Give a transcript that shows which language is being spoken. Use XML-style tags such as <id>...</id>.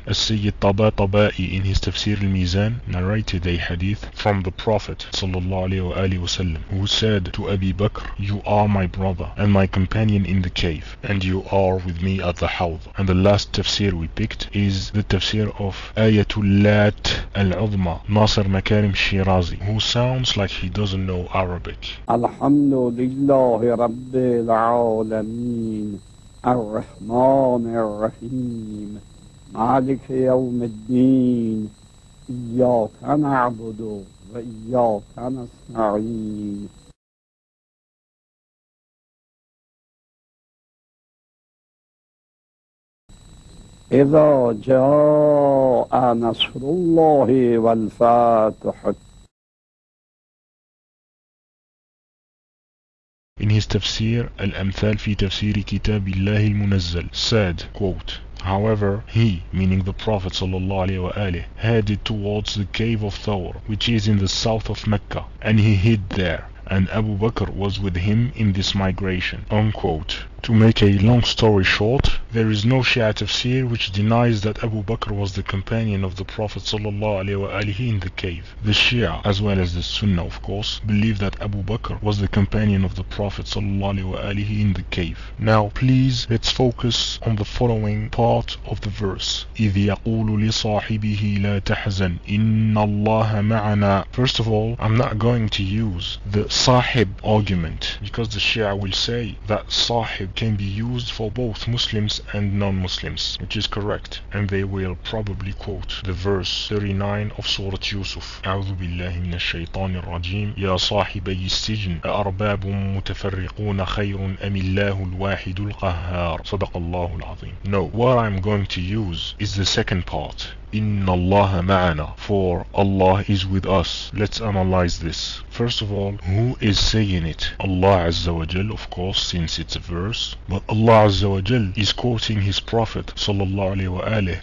<en>As-Sayyid Tabatabai in his Tafsir al-Mizan narrated a hadith from the Prophet sallallahu alayhi wa alihi wa sallam, who said to Abi Bakr, you are my brother and my companion in the cave, and you are with me at the Hawd. And the last tafsir we picked is the tafsir of Ayatul Lat العظمى ناصر مكارم الشيرازي, who sounds like he doesn't know Arabic.</en> <ar>الحمد لله رب العالمين الرحمن الرحيم مالك يوم الدين إياك نعبد وإياك نستعين. إذا جاء نصر الله والفاتح.</ar> <en>In his tafsir, Al-Amthal fi tafsir kitab Allah al-Munazzal said, quote, however, he, meaning the Prophet sallallahu alayhi wa alayhi, headed towards the cave of Thawr, which is in the south of Mecca, and he hid there, and Abu Bakr was with him in this migration, unquote. To make a long story short, there is no Shia tafsir which denies that Abu Bakr was the companion of the Prophet sallallahu alayhi wa alihi in the cave. The Shia, as well as the Sunnah of course, believe that Abu Bakr was the companion of the Prophet sallallahu alayhi wa alihi in the cave. Now please, let's focus on the following part of the verse.</en> <ar>إِذْ يَقُولُ لِصَاحِبِهِ لَا تَحْزَنْ إِنَّ اللَّهَ مَعَنَا.</ar> <en>First of all, I'm not going to use the Sahib argument, because the Shia will say that Sahib can be used for both Muslims and non-Muslims, which is correct, and they will probably quote the verse 39 of Surah Yusuf.</en> <ar>أعوذ بالله من الشيطان الرجيم يا صاحبي السجن أرباب متفرقون خير أم الله الواحد القهار صدق الله العظيم.</ar> <en>No, what I'm going to use is the second part,</en> <ar>إن الله معنا,</ar> <en>for Allah is with us. Let's analyze this. First of all, who is saying it? Allah Azza wa Jal, of course, since it's a verse. But Allah Azza wa Jal is quoting his Prophet sallallahu alayhi wa alayhi.</en>